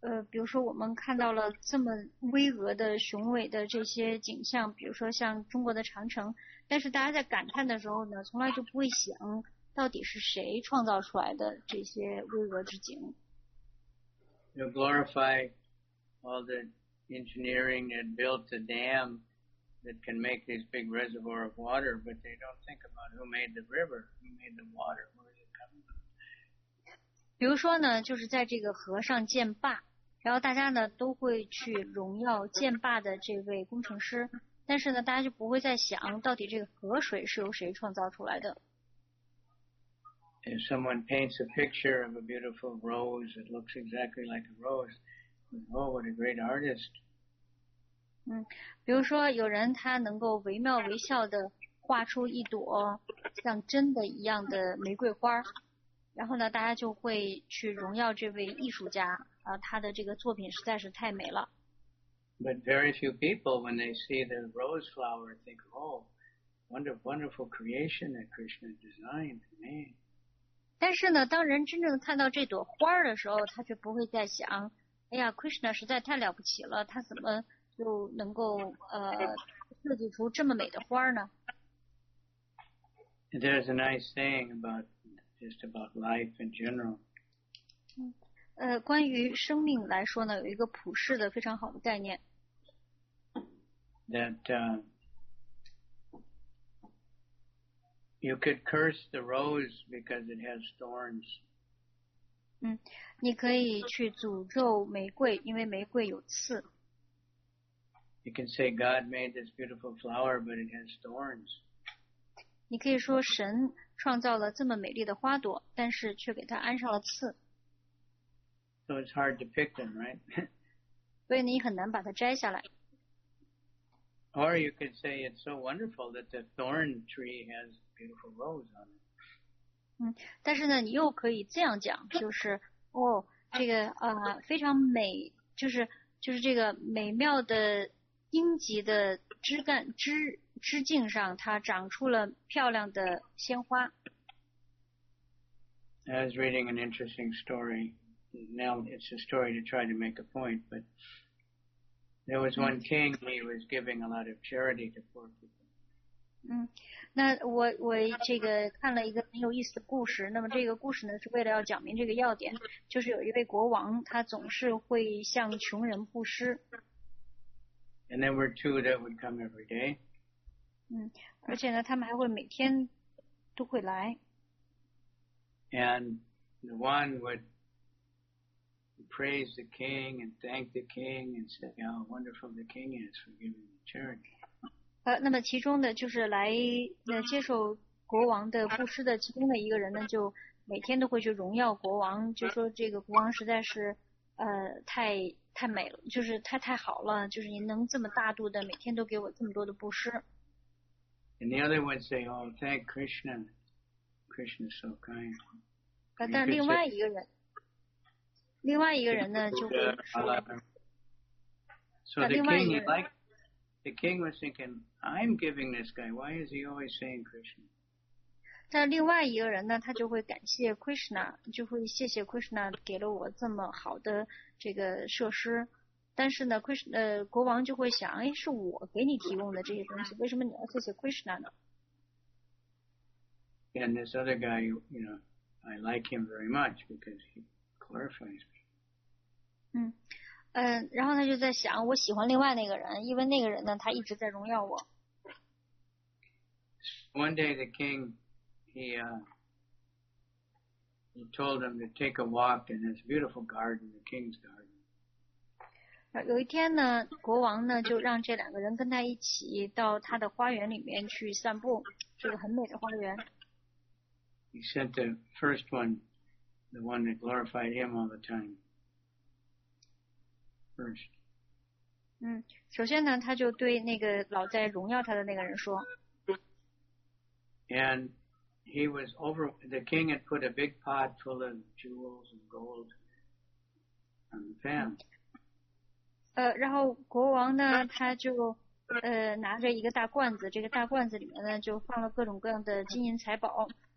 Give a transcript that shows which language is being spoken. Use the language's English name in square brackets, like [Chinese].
[Chinese] 比如说我们看到了这么巍峨的雄伟的这些景象，比如说像中国的长城，但是大家在感叹的时候呢，从来就不会想到底是谁创造出来的这些巍峨之景。 [English] You glorify all the engineering that built the dam that can make this big reservoir of water, but they don't think about who made the river, who made the water, where is it coming from? [Chinese] 比如说呢，就是在这个河上建坝，然后大家呢都会去荣耀建坝的这位工程师，但是呢，大家就不会再想到底这个河水是由谁创造出来的。 [English] If someone paints a picture of a beautiful rose that looks exactly like a rose, oh, what a great artist. [Chinese] 比如说有人他能够惟妙惟肖地画出一朵像真的一样的玫瑰花，然后呢，大家就会去荣耀这位艺术家，他的这个作品实在是太美了。 [English] But very few people, when they see the rose flower, think, oh, wonderful, wonderful creation that Krishna designed for me. [Chinese] 但是呢，当人真正看到这朵花的时候，他却不会再想，哎呀 ，Krishna 实在太了不起了，他怎么就能够设计出这么美的花呢 [English] ？There's a nice saying about just about life in general. [Chinese] 关于生命来说呢，有一个普世的非常好的概念。 [English] That you could curse the rose because it has thorns. [Chinese] 你可以去诅咒玫瑰，因为玫瑰有刺。 [English] You can say God made this beautiful flower, but it has thorns. [Chinese] 你可以说神创造了这么美丽的花朵，但是却给它安上了刺。 [English] So it's hard to pick them, right? [Chinese] 所以你很难把它摘下来。 [English] Or you could say it's so wonderful that the thorn tree has beautiful rose on it. [Chinese] 但是呢，你又可以这样讲，就是哦，这个非常美，就是这个美妙的荆棘的枝茎上，它长出了漂亮的鲜花。 [English] I was reading an interesting story. Now it's a story to try to make a point, but there was one king. He was giving a lot of charity to poor people. [Chinese] 那我这个看了一个很有意思的故事。那么这个故事呢，是为了要讲明这个要点，就是有一位国王，他总是会向穷人布施。 [English] And there were two that would come every day. [Chinese] 而且呢，他们还会每天都会来。 [English] And the one would praise the king and thank the king and say how wonderful the king is for giving the charity. [Chinese] 那么其中的就是来接受国王的布施的其中的一个人呢，就每天都会去荣耀国王，就说这个国王实在是太美了，就是太好了，就是您能这么大度的每天都给我这么多的布施。 [English] And the other one say, oh, thank Krishna. Krishna is so kind. [Chinese] 但另外一个人呢就会说。 [English] So the king was thinking, I'm giving this guy, why is he always saying Krishna? [Chinese] 但另外一个人呢，他就会感谢 Krishna, 就会谢谢 Krishna 给了我这么好的这个设施。但是呢 Krishna, 国王就会想，哎，是我给你提供的这些东西，为什么你要谢谢 Krishna 呢？ [English] And this other guy, you know, I like him very much because he glorifies me. [Chinese] 然后他就在想，我喜欢另外那个人，因为那个人呢，他一直在荣耀我。 [English] One day the king, he told him to take a walk in his beautiful garden, the king's garden. [Chinese] 有一天呢，国王呢就让这两个人跟他一起到他的花园里面去散步，这个很美的花园。 [English] He sent the first one, the one that glorified him all the time. First. [Chinese] 首先呢，他就对那个老在荣耀他的那个人说。 [English] And he was over. The king had put a big pot full of jewels and gold on the pan. [Chinese] 然后国王呢，他就拿着一个大罐子，这个大罐子里面呢就放了各种各样的金银财宝。